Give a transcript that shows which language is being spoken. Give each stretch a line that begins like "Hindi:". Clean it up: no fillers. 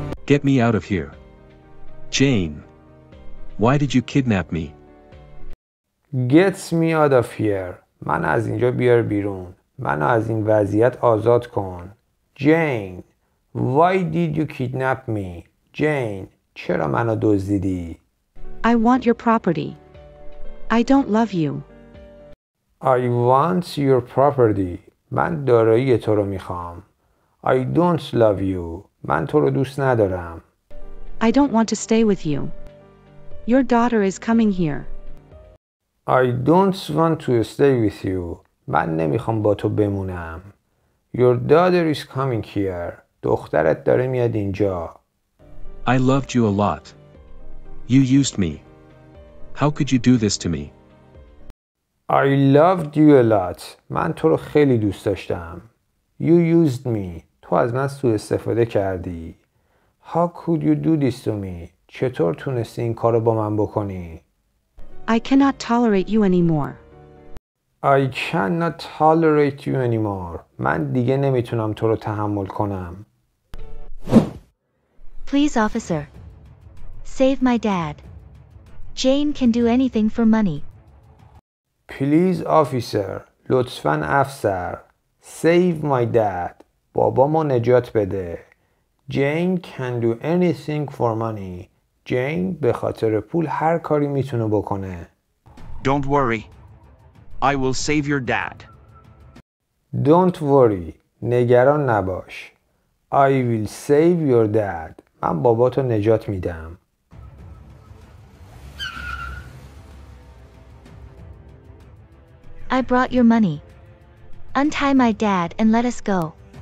English: Get me out of here. Jane, why did you kidnap me? Get me out of here.
Persian: من از اینجا بیار بیرون. من از این وضعیت آزاد کن.
English: Jane, why did you kidnap me?
Persian: Jane, چرا منو دزدیدی؟
English: I want your property. I don't love you. I want your property.
Persian: من دارایی تو رو میخوام.
English: I don't love you.
Persian: من تو رو دوست ندارم.
English: I don't want to stay with you. Your daughter is coming here. I don't want to stay with you.
Persian: من نمیخوام با تو بمونم.
English: Your daughter is coming here.
Persian: دخترت داره میاد اینجا.
English: I loved you a lot. You used me. How could you do this to me? I loved you a lot.
Persian: من تو رو خیلی دوست داشتم.
English: You used me.
Persian: تو از من سوء استفاده کردی.
English: How could you do this to me?
Persian: چطور تونستی این کارو با من بکنی؟
English: I cannot tolerate you anymore. I cannot tolerate you anymore.
Persian: من دیگه نمیتونم تو رو تحمل کنم.
English: Please officer. Save my dad. Jane can do anything for money. Please officer.
Persian: لطفاً افسر.
English: Save my dad.
Persian: بابامو نجات بده.
English: Jane can do anything for money.
Persian: Jane به خاطر پول هر کاری میتونه بکنه.
English: Don't worry. I will save your dad. Don't worry.
Persian: نگران نباش.
English: I will save your dad.
Persian: هم باباتو نجات میدم.
English: I brought your money. Untie my dad and let us go.